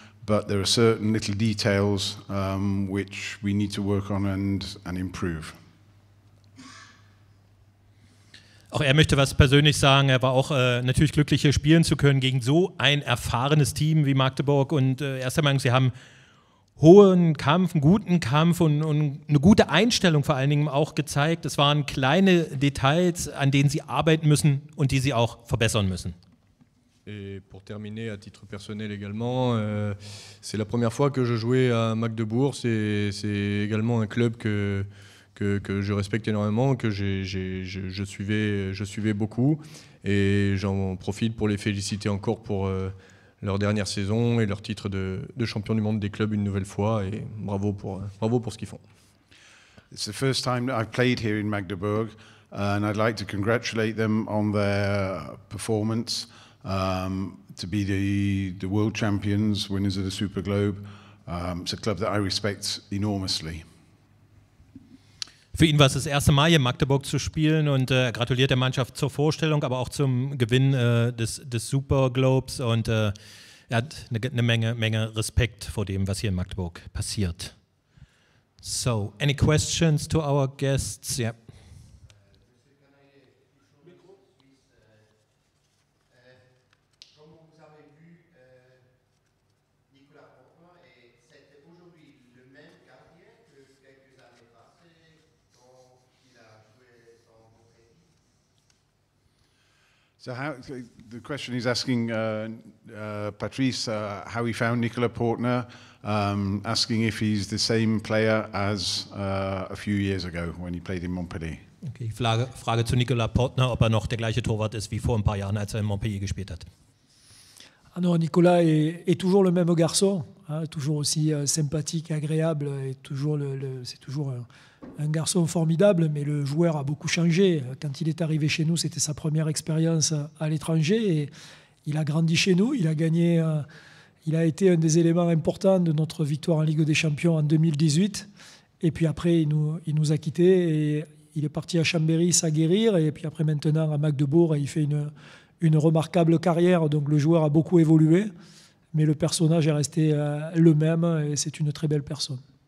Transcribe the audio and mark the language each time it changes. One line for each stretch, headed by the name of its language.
English: But there are certain little details which we need to work on and improve.
German: Auch er möchte was persönlich sagen. Er war auch natürlich glücklich, hier spielen zu können gegen so ein erfahrenes Team wie Magdeburg. Und erst einmal, sie haben hohen Kampf, einen guten Kampf und eine gute Einstellung vor allen Dingen auch gezeigt. Es waren kleine Details, an denen Sie arbeiten müssen und die Sie auch verbessern müssen.
French: Et pour terminer, à titre personnel également, c'est la première fois que je jouais à Magdeburg. C'est également un club que je respecte énormément, que je suivais beaucoup. Et j'en profite pour les féliciter encore pour leur dernière saison et leur titre de champion du monde des clubs une nouvelle fois. Et bravo pour ce qu'ils font.
English: It's the first time I've played here in Magdeburg, and I'd like to congratulate them on their performance. To be the world champions, winners of the Super Globe. It's a club that I respect enormously.
German: Für ihn war es das erste Mal hier in Magdeburg zu spielen und gratuliert der Mannschaft zur Vorstellung, aber auch zum Gewinn des Super Globes. Und er hat eine Menge Respekt vor dem, was hier in Magdeburg passiert.
English: So, any questions to our guests? Yeah. So how, the question is asking Patrice how he found Nicola Portner, asking if he's the same player as a few years ago when he played in Montpellier.
German: Okay, Frage zu Nicola Portner, ob er noch der gleiche Torwart ist wie vor ein paar Jahren, als er in Montpellier gespielt hat.
French: Ah non, Nicola est toujours le même garçon, hein, toujours aussi sympathique, agréable, et toujours c'est toujours un garçon formidable, mais le joueur a beaucoup changé. Quand il est arrivé chez nous, c'était sa première expérience à l'étranger, et il a grandi chez nous, il a gagné, il a été un des éléments importants de notre victoire en Ligue des Champions en 2018, et puis après il nous a quittés, et il est parti à Chambéry s'aguerrir, et puis après maintenant à Magdebourg, et il fait une remarquable carrière, donc le joueur a beaucoup évolué, mais le personnage est resté le même, et c'est une très belle personne.